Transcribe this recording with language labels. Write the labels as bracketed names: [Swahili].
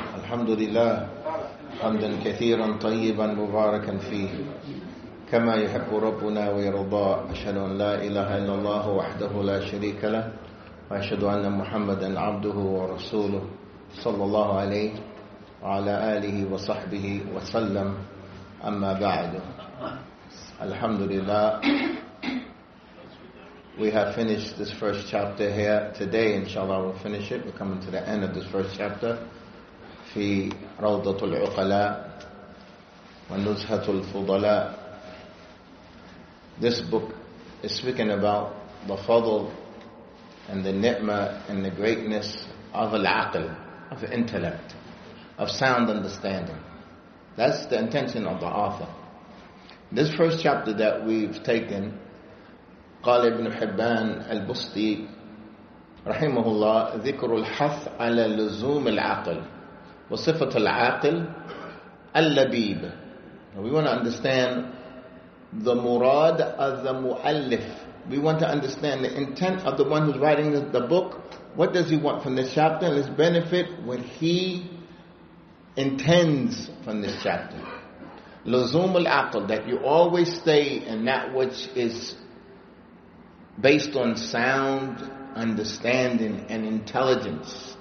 [Arabic] الحمد لله حمدا كثيرا طيبا مباركا فيه كما يحب ربنا ويرضى. أشهد أن لا إله إلا الله وحده لا شريك له وأشهد أن محمدا عبده ورسوله صلى الله عليه وعلى آله وصحبه وسلم. أما بعد, الحمد لله, [English] we have finished this first chapter here today. Inshallah, we'll finish it. We're coming to the end of this first chapter. [Arabic] في روضة العقلاء ونزهة الفضلاء. [English] This book is speaking about the fadl and the ni'mah and the greatness of al-aql, of intellect, of sound understanding. That's the intention of the author. This first chapter that we've taken, [Arabic] قال ابن حبان البستي رحمه الله ذكر الحث على لزوم العقل وصفة العاقل اللبيب. [English] We want to understand the murad of the muallif. We want to understand the intent of the one who's writing the book. What does he want from this chapter? And his benefit, what he intends from this chapter. [Arabic] لزوم العقل, [English] that you always stay in that which is based on sound understanding and intelligence.